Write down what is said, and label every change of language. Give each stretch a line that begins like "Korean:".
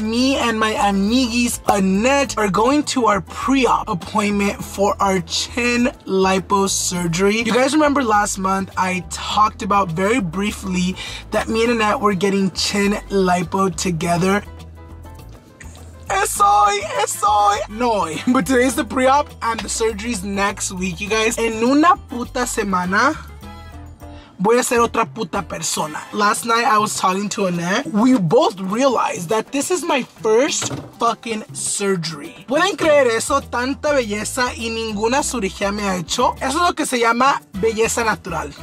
English: Me and my amiguis, Annette, are going to our pre-op appointment for our chin liposurgery. You guys remember last month I talked about very briefly that me and Annette were getting chin lipo together.
Spanish: Es hoy.
English: But today's the pre-op and the surgery's next week, you guys.
Spanish: En una puta semana voy a ser otra puta persona.
English: Last night I was talking to Annette. We both realized that this is my first fucking surgery.
Spanish: ¿Pueden creer eso? Tanta belleza y ninguna cirugía me ha hecho. Eso es lo que se llama belleza natural.